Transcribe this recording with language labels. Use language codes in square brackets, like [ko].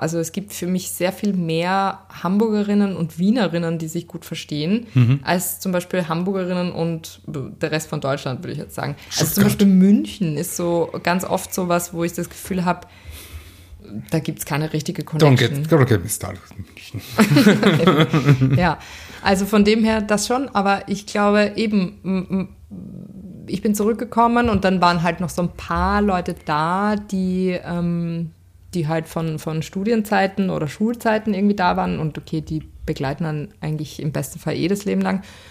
[de] Also es gibt für mich sehr viel mehr Hamburgerinnen und Wienerinnen, die sich gut verstehen, als zum Beispiel Hamburgerinnen und der Rest von Deutschland, würde ich jetzt sagen. Stuttgart. Also zum Beispiel München ist so ganz oft sowas, wo ich das Gefühl habe, da gibt es keine richtige Connection. [en] Don't get me started in München. [de] Ja, also von dem her das schon, aber ich glaube eben, ich bin zurückgekommen und dann waren halt noch so ein paar Leute da, die halt von Studienzeiten oder Schulzeiten irgendwie da waren und okay, die begleiten dann eigentlich im besten Fall eh das Leben lang.